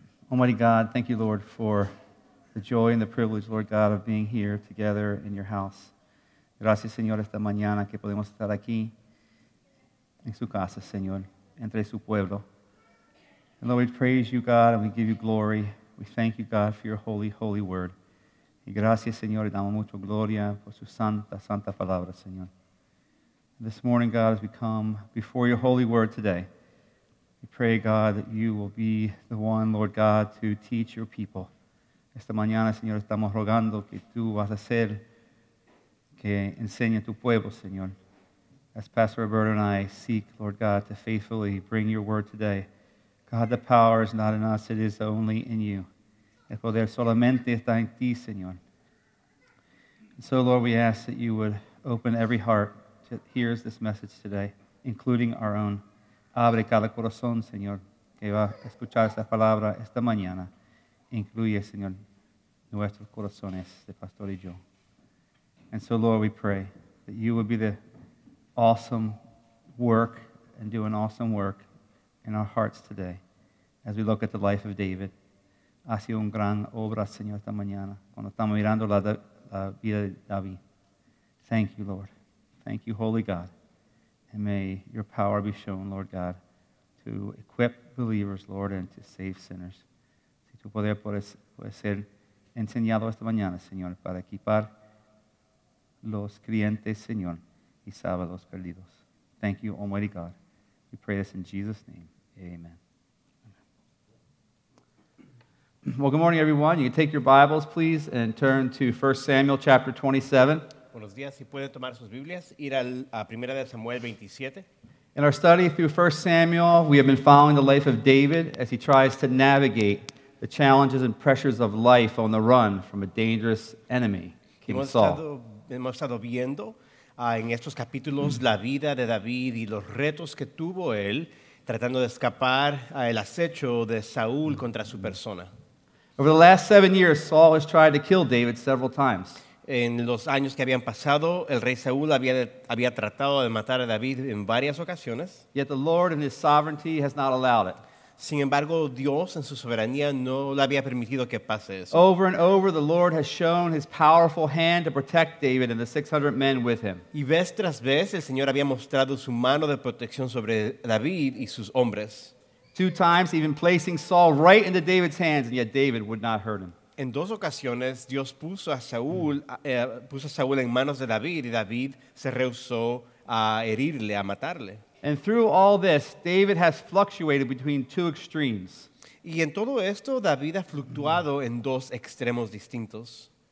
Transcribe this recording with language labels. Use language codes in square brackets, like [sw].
[en] Almighty God, thank you, Lord, for the joy and the privilege, Lord God, of being here together in your house. [es] Gracias, Señor, esta mañana que podemos estar aquí en su casa, Señor, entre su pueblo. [en] And Lord, we praise you, God, and we give you glory. We thank you, God, for your holy, holy word. [es] Y gracias, Señor, y damos mucho gloria por su santa, santa palabra, Señor. [en] This morning, God, as we come before your holy word today, we pray, God, that you will be the one, Lord God, to teach your people. [es] Esta mañana, Señor, estamos rogando que tú vas a ser que enseñe tu pueblo, Señor. [en] As Pastor Roberto and I seek, Lord God, to faithfully bring your word today, God, the power is not in us, it is only in you. [es] El poder solamente está en ti, Señor. [en] And so, Lord, we ask that you would open every heart that hears this message today, including our own. [es] Abre cada corazón, Señor, que va a escuchar esta palabra esta mañana. Incluye, Señor, nuestros corazones de Pastor y yo. [en] And so, Lord, we pray that you would be the awesome work and do an awesome work in our hearts today as we look at the life of David. [es] Ha sido un gran obra, Señor, esta mañana, cuando estamos mirando la vida de David. [en] Thank you, Lord. Thank you, Holy God. And may your power be shown, Lord God, to equip believers, Lord, and to save sinners. [es] Si tu poder puede ser enseñado esta mañana, Señor, para equipar los creyentes, Señor, y salvar los perdidos. [en] Thank you, Almighty God. We pray this in Jesus' name. Amen. Well, good morning, everyone. You can take your Bibles, please, and turn to 1 Samuel chapter 27. [es] Buenos días. Si pueden tomar sus Biblias, ir al, a 1 de Samuel 27. [en] In our study through 1 Samuel, we have been following the life of David as he tries to navigate the challenges and pressures of life on the run from a dangerous enemy, King Saul. [es] Hemos estado viendo en estos capítulos la vida de David y los retos que tuvo él tratando de escapar el acecho de Saúl contra su persona. [en] Over the last 7 years, Saul has tried to kill David several times. [es] En los años que habían pasado, el rey Saúl había tratado de matar a David en varias ocasiones. [en] Yet the Lord in his sovereignty has not allowed it. [es] Sin embargo, Dios en su soberanía no le había permitido que pase eso. [en] Over and over, the Lord has shown his powerful hand to protect David and the 600 men with him. [es] Y vez tras vez, el Señor había mostrado su mano de protección sobre David y sus hombres. [en] Two times, even placing Saul right into David's hands, and yet David would not hurt him. [es] En dos ocasiones, Dios puso a Saúl, puso a Saúl en manos de David, y David se rehusó a herirle, a matarle. [en] And through all this, David has fluctuated between two extremes. [es] Y en todo esto, David ha fluctuado en dos extremos distintos.